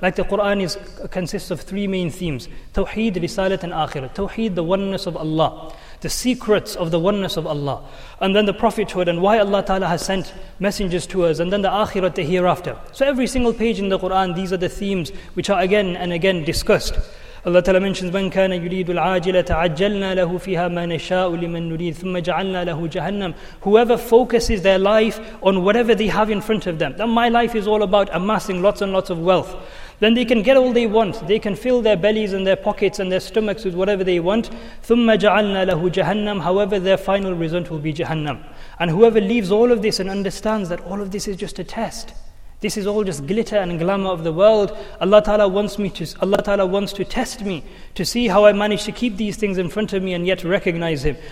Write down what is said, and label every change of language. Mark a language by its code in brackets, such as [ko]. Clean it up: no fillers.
[en] Like the Qur'an consists of three main themes. Tawheed, Risalat, and Akhirat. Tawheed, the oneness of Allah. The secrets of the oneness of Allah. And then the prophethood and why Allah Ta'ala has sent messengers to us. And then the akhirat, the hereafter. So every single page in the Qur'an, these are the themes which are again and again discussed. Allah Ta'ala mentions, [ar] مَنْ كَانَ يُرِيدُ الْعَاجِلَةَ تَعَجَّلْنَا لَهُ فِيهَا مَا نَشَاءُ لِمَنْ نُرِيدُ ثُمَّ جَعَلْنَا لَهُ جَهَنَّمُ. [en] Whoever focuses their life on whatever they have in front of them, that my life is all about amassing lots and lots of wealth, then they can get all they want. They can fill their bellies and their pockets and their stomachs with whatever they want. [ar] ثُمَّ جَعَلْنَا لَهُ جَهَنَّمُ. [en] However, their final result will be Jahannam. And whoever leaves all of this and understands that all of this is just a test, this is all just glitter and glamour of the world, Allah Ta'ala wants to test me to see how I manage to keep these things in front of me and yet recognize him.